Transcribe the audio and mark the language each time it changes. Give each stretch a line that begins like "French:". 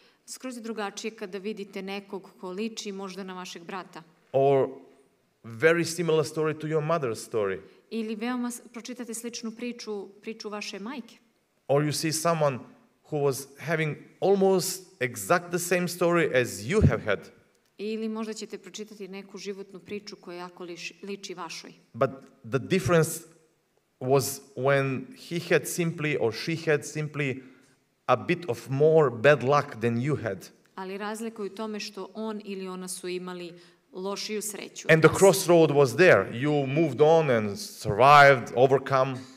Serbian: Skroz je drugačije kada vidite nekog ko liči možda na vašeg brata.
English: Or very similar story to your mother's story.
Serbian: Ili veoma pročitate sličnu priču, priču vaše majke.
English: Or you see someone who was having almost exact the same story as you have had.
Serbian: Ili možda ćete pročitati neku životnu priču koja jako liči vašoj.
English: But the difference was when he had simply or she had simply a bit of more bad luck than you had.
Serbian: Ali razlika je u tome što on ili ona su imali lošiju sreću.
English: And the crossroad was there. You moved on and survived, overcome.